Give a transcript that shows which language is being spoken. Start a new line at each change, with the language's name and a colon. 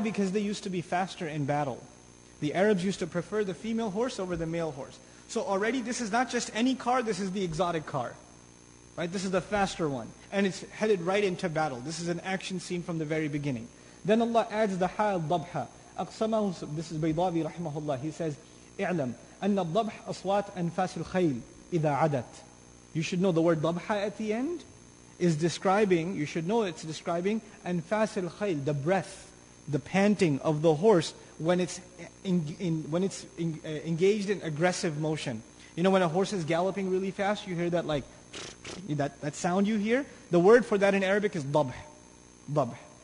English: Because they used to be faster in battle. The Arabs used to prefer the female horse over the male horse. So already this is not just any car, this is the exotic car. Right? This is the faster one. And it's headed right into battle. This is an action scene from the very beginning. Then Allah adds the ha'al dabha.
Arabic: أقسمه,
English: this is Baydawi rahimahullah. He says,
Arabic: اعلم أن الضبح أصوات أنفاس الخيل إذا عدت.
English: You should know the word ضبحة at the end is describing, you should know it's describing
Arabic: أنفاس الخيل,
English: the breath, the panting of the horse when it's engaged in aggressive motion. You know when a horse is galloping really fast, you hear that like, that sound you hear? The word for that in Arabic is ضبح. dhabh.